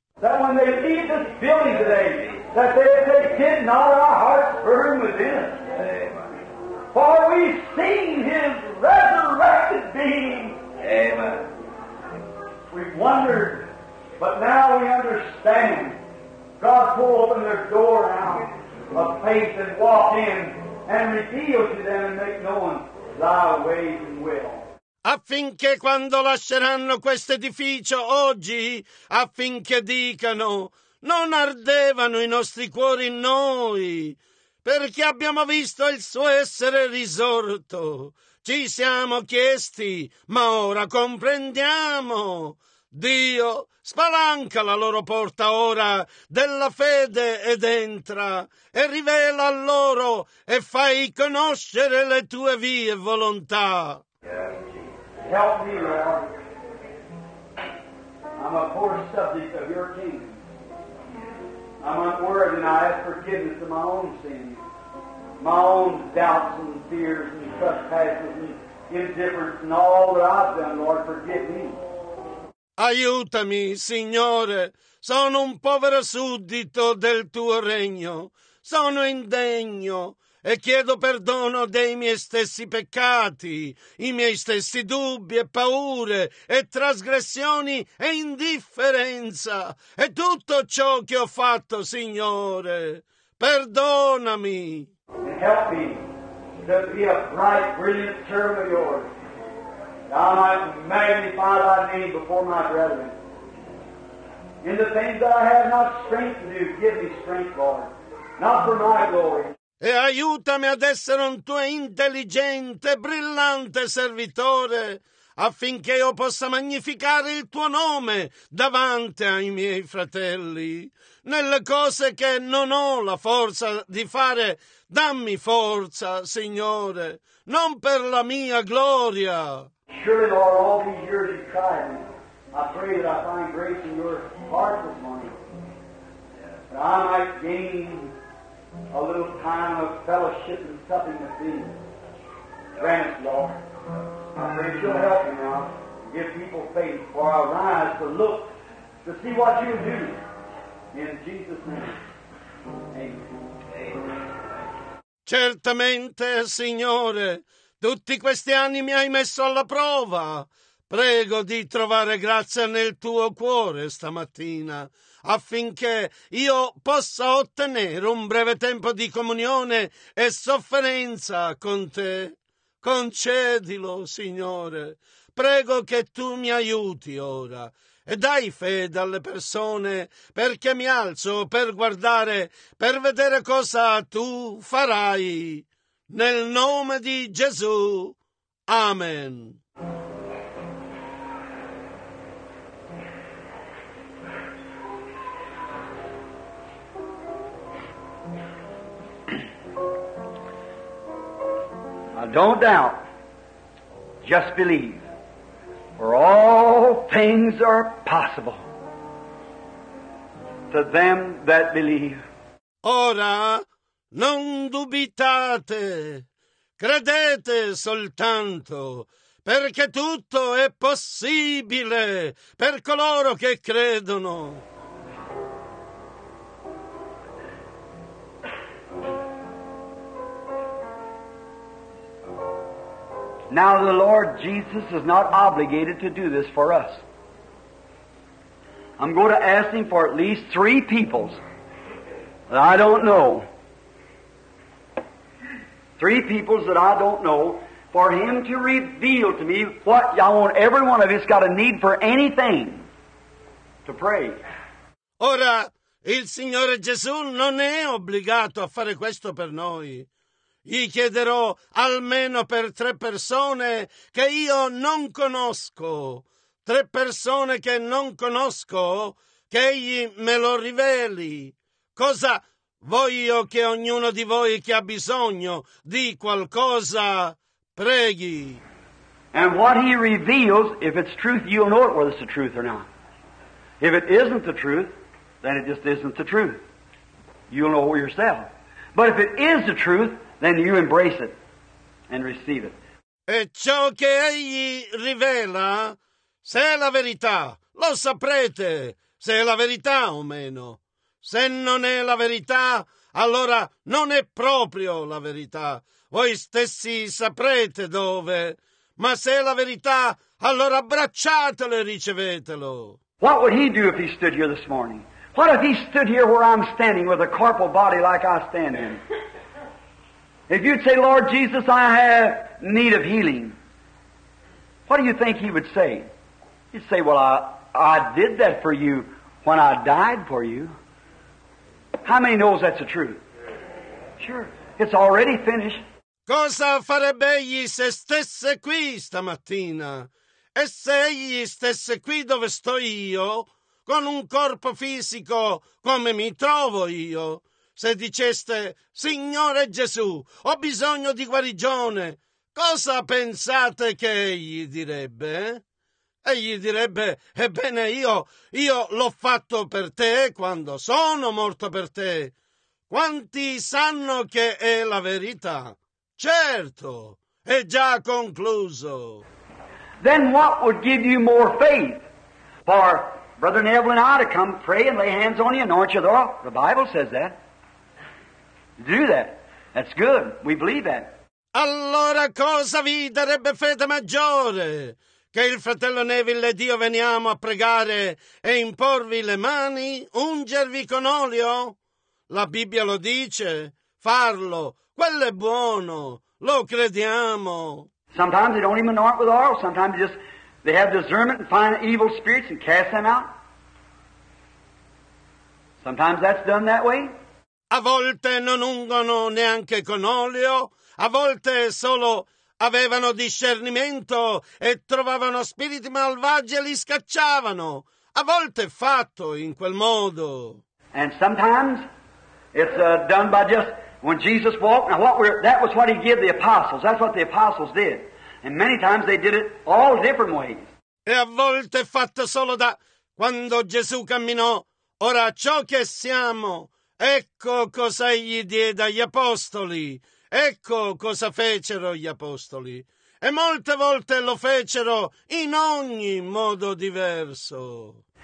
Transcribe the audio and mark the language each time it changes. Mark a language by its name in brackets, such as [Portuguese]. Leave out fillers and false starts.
[English] That when they leave this building today, that they did not our hearts burn within us. For we've seen His resurrected being. Amen. We've wondered, but now we understand. God pull open their door now of faith and walk in and reveal to them and make known Thy ways and will. [Italian] Affinché quando lasceranno questo edificio oggi, affinché dicano: non ardevano i nostri cuori in noi, perché abbiamo visto il suo essere risorto. Ci siamo chiesti, ma ora comprendiamo. Dio, spalanca la loro porta ora della fede ed entra e rivela a loro e fai conoscere le tue vie e volontà. [English] Help me, Lord. I'm a poor subject of your kingdom. I'm unworthy, and I ask forgiveness of my own sins, my own doubts and fears and trespasses and indifference and all that I've done. Lord, forgive me. [Italian] Aiutami, Signore. Sono un povero suddito del tuo regno. Sono indegno e chiedo perdono dei miei stessi peccati, i miei stessi dubbi e paure e trasgressioni e indifferenza e tutto ciò che ho fatto, Signore. Perdonami. [English] And help me to be a bright, brilliant servant of yours, that I might magnify thy name before my brethren. In the things that I have not strength to do, give me strength, Lord. Not for my glory. [Italian] E aiutami ad essere un tuo intelligente, brillante servitore, affinché io possa magnificare il tuo nome davanti ai miei fratelli. Nelle cose che non ho la forza di fare, dammi forza, Signore, non per la mia gloria. [English] Surely, Lord, all these years you tried me. I pray that I find grace in your heart this morning, that I might gain a little time of fellowship and supping with thee. Grant, Lord. I pray that you'll help me now and give people faith for our eyes to look to see what you do. In Jesus' name. Amen. [Italian] Certamente, Signore, tutti questi anni mi hai messo alla prova. Prego di trovare grazia nel tuo cuore stamattina, affinché io possa ottenere un breve tempo di comunione e sofferenza con te. Concedilo, Signore. Prego che tu mi aiuti ora e dai fede alle persone, perché mi alzo per guardare, per vedere cosa tu farai. Nel nome di Gesù. Amen. [English] Now don't doubt, just believe, for all things are possible to them that believe. [Italian] Ora, non dubitate, credete soltanto, perché tutto è possibile per coloro che credono. [English] Now the Lord Jesus is not obligated to do this for us. I'm going to ask him for at least three peoples that I don't know. Three peoples that I don't know for him to reveal to me what I want every one of us got a need for anything to pray. [Italian] Ora, il Signore Gesù non è obbligato a fare questo per noi. Gli chiederò almeno per tre persone che io non conosco, tre persone che non conosco, che egli me lo riveli. Cosa voglio che ognuno di voi che ha bisogno di qualcosa preghi. [English] And what he reveals, if it's truth, you'll know it, whether it's the truth or not. If it isn't the truth, then it just isn't the truth. You'll know it yourself. But if it is the truth, then you embrace it and receive it. [Italian] E ciò che egli rivela, se è la verità, lo saprete, se è la verità o meno. Se non è la verità, allora non è proprio la verità. Voi stessi saprete dove. Ma se è la verità, allora abbracciatelo e ricevetelo. [English] What would he do if he stood here this morning? What if he stood here where I'm standing with a corporal body like I stand in? If you'd say, Lord Jesus, I have need of healing, what do you think he would say? He'd say, well, I did that for you when I died for you. How many knows that's the truth? Sure, it's already finished. [Italian] Cosa farebbe egli se stesse qui stamattina? E se egli stesse qui dove sto io, con un corpo fisico come mi trovo io? Se diceste, Signore Gesù, ho bisogno di guarigione, cosa pensate che egli direbbe? Egli direbbe, ebbene io l'ho fatto per te quando sono morto per te. Quanti sanno che è la verità? Certo, è già concluso. [English] Then what would give you more faith? For Brother Neville and I to come pray and lay hands on you and anoint you though? The Bible says that. Do that. That's good. We believe that. [Italian] Allora cosa vi darebbe fede maggiore? Che il fratello Neville ed io veniamo a pregare e imporvi le mani, ungervi con olio? La Bibbia lo dice. Farlo. Quello è buono. Lo crediamo. [English] Sometimes they don't even anoint with oil. Sometimes they have discernment and find evil spirits and cast them out. Sometimes that's done that way. [Italian] A volte non ungono neanche con olio. A volte solo avevano discernimento e trovavano spiriti malvagi e li scacciavano. A volte è fatto in quel modo. [English] And sometimes it's done by just when Jesus walked. Now that was what he gave the apostles. That's what the apostles did. And many times they did it all different ways. [Italian] E a volte è fatto solo da quando Gesù camminò. Ora ciò che siamo, ecco cosa egli diede agli apostoli. Ecco cosa fecero gli apostoli. E molte volte lo fecero in ogni modo diverso.